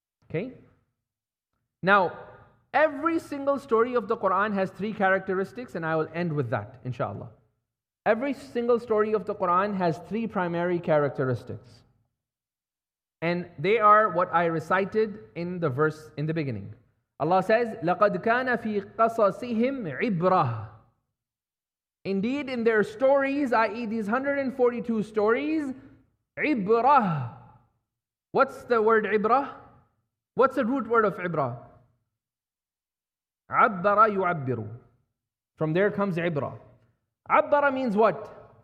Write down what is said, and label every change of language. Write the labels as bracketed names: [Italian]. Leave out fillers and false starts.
[English] Okay? Now, every single story of the Quran has 3 characteristics, and I will end with that, inshallah. Every single story of the Quran has 3 primary characteristics. And they are what I recited in the verse in the beginning. Allah says, [Arabic] لَقَدْ كَانَ فِي قَصَصِهِمْ عِبْرَةً. [English] Indeed, in their stories, i.e. these 142 stories, عِبْرَةً. What's the word عِبْرَةً? What's the root word of عِبْرَةً? [Arabic] عَبَّرَ يُعَبِّرُ. [English] From there comes عِبْرَ. عَبَّرَ means what?